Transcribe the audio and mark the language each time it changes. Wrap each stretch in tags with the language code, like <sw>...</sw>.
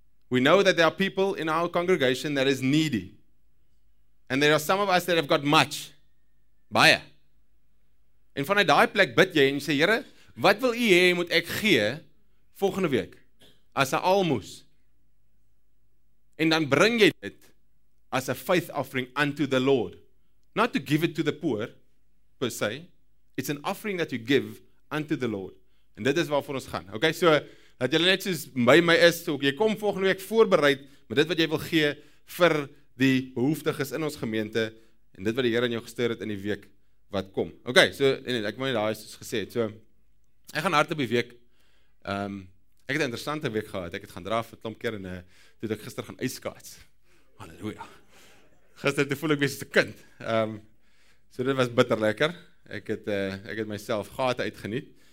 <en>We know that there are people in our congregation that is needy. And there are some of us that have got much.</en> <af>Baie. En vanuit daai plek bid jy en jy sê Here, wat wil u hê moet ek gee volgende week as 'n almoes? En dan bring jy dit as 'n</af> <en>faith offering unto the Lord. Not to give it to the poor, per se. It's an offering that you give unto the Lord.</en> <af>En dit is waarvoor ons gaan. Okay, so, dat julle net soos my is, so jy kom volgende week voorbereid met dit wat jy wil gee vir die behoeftiges in ons gemeente en dit wat die Here aan jou gestuur het in die week wat kom. Okay, so, en ek moet daai soos gesê het, so, ek gaan hard op die week. Ek het 'n interessante week gehad. Ek het gaan draf 'n klomp keer en toe het ek gister gaan ijskaats. Halleluja. Gister toe voel ek weer soos 'n kind. So dit was bitter lekker. Ek het myself gate uitgeniet.</af>